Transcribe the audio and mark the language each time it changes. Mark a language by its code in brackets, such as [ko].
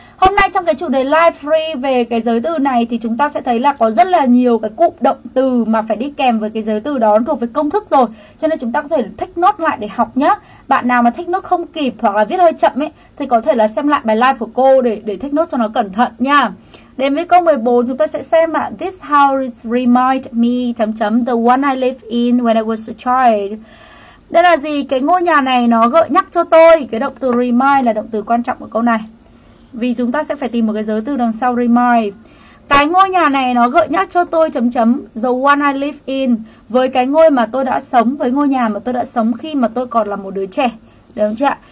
[vi] Hôm nay trong cái chủ đề live free về cái giới từ này thì chúng ta sẽ thấy là có rất là nhiều cái cụm động từ mà phải đi kèm với cái giới từ đó, nó thuộc về công thức rồi. Cho nên chúng ta có thể take note lại để học nhá. Bạn nào mà take note không kịp hoặc là viết hơi chậm ấy thì có thể là xem lại bài live của cô để take note cho nó cẩn thận nha. Đến với câu 14 chúng ta sẽ xem ạ. [en] This house reminds me [vi] chấm chấm [en] the one I lived in when I was a child. [vi] Đây là gì? Cái ngôi nhà này nó gợi nhắc cho tôi. Cái động từ remind là động từ quan trọng của câu này. Vì chúng ta sẽ phải tìm một cái giới từ đằng sau remind. Cái ngôi nhà này nó gợi nhắc cho tôi chấm chấm [en] the one I live in, [vi] với cái ngôi mà tôi đã sống, với ngôi nhà mà tôi đã sống khi mà tôi còn là một đứa trẻ. Được không chị ạ?